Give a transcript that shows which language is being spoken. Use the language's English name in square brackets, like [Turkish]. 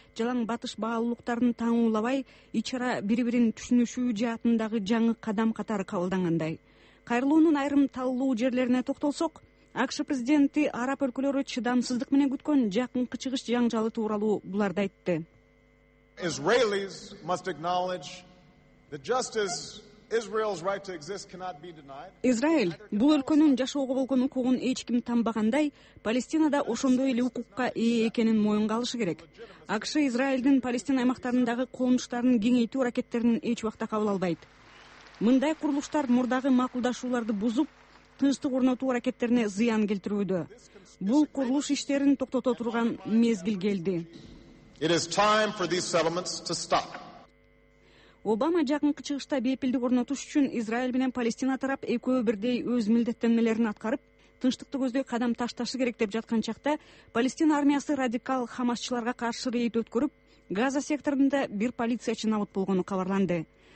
[Kyrgyz] Жалаң батыш баалуулуктарын таңуулабай, ич ара бири бирин түшүнүшүү жаатындагы жаңы кадам катары кабылдангандай. Кайрылуунун айрым таалуу жерлерине токтолсок, АКШ президенти араб өлкөлөрү чыдамсыздык менен күткөн жакынкы чыгыш жаңжалы тууралуу буларды айтты. [English] Israelis must acknowledge that justice Israel's right to exist cannot be denied. [Kyrgyz] Израиль бул өлкөнүн жашоого болгон укугун эч ким тамбагандай, Палестинада ошондой эле укукка ээ экенин моюнга алышы керек. АКШ Израилдин Палестина аймактарындагы коомчуларын кеңейтүү аракеттерин эч убакта кабыл албайт. Мындай курулуштар мурдагы макулдашууларды бузуп, тынчтык орнотуу аракеттерине зыян келтирүүдө. Бул курулуш иштерин токтото турган мезгил келди. [English] It is time for these settlements to stop. [Kyrgyz] Обама жакынкы чыгышта бейпилдик орнотуш үчүн Израиль менен Палестина тарап экөө бирдей өз милдеттенмелерин аткарып, тынчтыкты көздөй кадам ташташы керек деп жаткан чакта, Палестина армиясы радикал хамасчыларга каршы рейд өткөрүп, Газа секторунда бир полициячы набыт болгону кабарланды.